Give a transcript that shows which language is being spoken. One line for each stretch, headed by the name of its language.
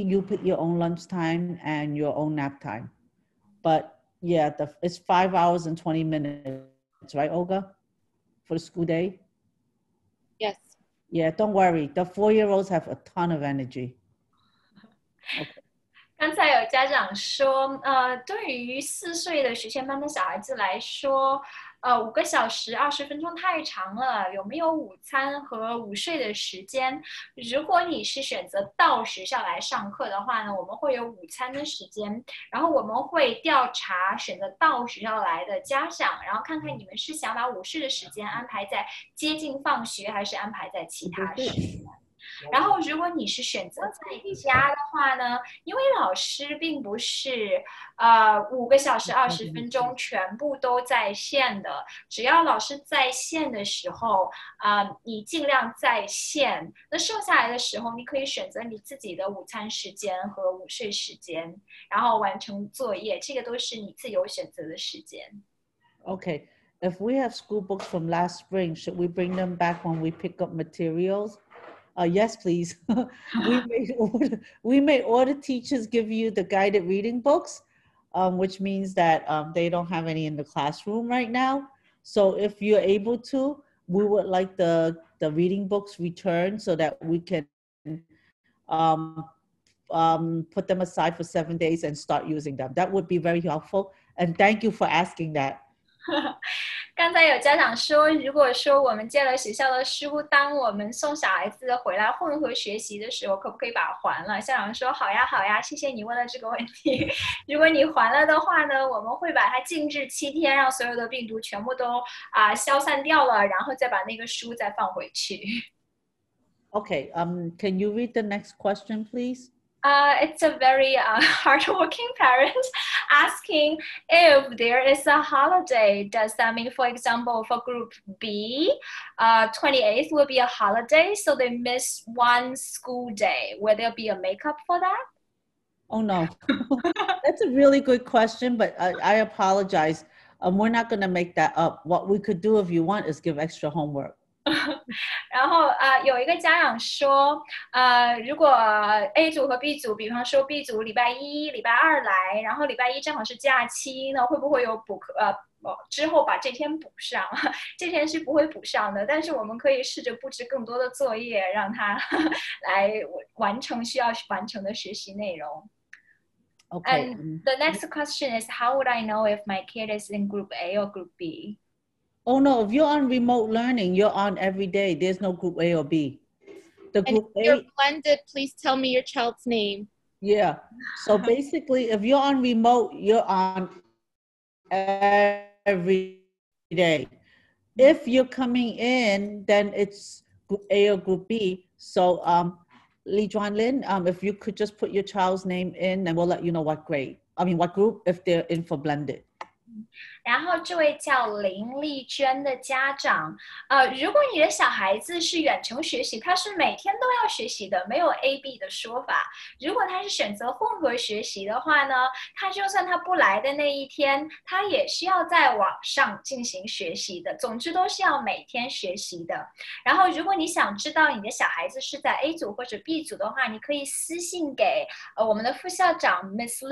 English: You pick your own lunch time and your own nap time. But yeah, it's 5 hours and 20 minutes, right, Olga? For the school day? Yes. Yeah, don't worry. The four-year-olds have a ton of energy. Okay.
Chinese: 刚才有家长说，对于四岁的学前班的小孩子来说，五个小时20分钟太长了，有没有午餐和午睡的时间？如果你是选择到学校来上课的话呢，我们会有午餐的时间，然后我们会调查选择到学校来的家长，然后看看你们是想把午睡的时间安排在接近放学，还是安排在其他时间。然后如果你是选择在家的话呢，因为老师并不是五个小时20分钟全部都在线的，只要老师在线的时候你尽量在线，那剩下来的时候你可以选择你自己的午餐时间和午睡时间，然后完成作业，这个都是你自由选择的时间。
English: Okay, if we have school books from last spring, should we bring them back when we pick up materials? Yes, please. we may order teachers give you the guided reading books, which means that they don't have any in the classroom right now. So if you're able to, we would like the reading books returned so that we can put them aside for 7 days and start using them. That would be very helpful. And thank you for asking that.
Chinese: 刚才有家长说，如果说我们借了学校的书，当我们送小孩子回来混合学习的时候，可不可以把它还了？校长说，好呀好呀，谢谢你问了这个问题。如果你还了的话呢，我们会把它静置7天，让所有的病毒全部都消散掉了，然后再把那个书再放回去。
English: Okay, can you read the next question, please? It's a very hardworking parent asking if there is a holiday. Does that mean, for example, for group B, 28th will be a holiday, so they miss one school day. Will there be a makeup for that? Oh, no. That's a really good question, but I apologize. We're not going to make that up. What we could do if you want is give extra homework.
Chinese: 然后有一个家长说如果
English: A
Chinese: 组和
English: B
Chinese: 组比方说 B 组礼拜一礼拜二来然后礼拜一正好是假期那会不会有补课之后把这天补上这天是不会补上的但是我们可以试着布置更多的作业让他来完成需要完成的学习内容
English: Okay. And the next question is how would I know if my kid is in group A or group Bo Oh no, if you're on remote learning, you're on every day. There's no group A or B. The group And if you're A, blended, please tell me your child's name. Yeah. So basically, if you're on remote, you're on every day. If you're coming in, then it's group A or group B. So Lee Juan Lin, if you could just put your child's name in, then we'll let you know what grade. I mean, what group if they're in for blended.
Chinese: 然后这位叫林丽娟的家长如果你的小孩子是远程学习他是每天都要学习的没有 AB 的说法如果他是选择混合学习的话呢他就算他不来的那一天他也需要在网上进行学习的总之都是要每天学习的然后如果你想知道你的小孩子是在 A 组或者 B 组的话你可以私信给我们的副校长
English: Ms.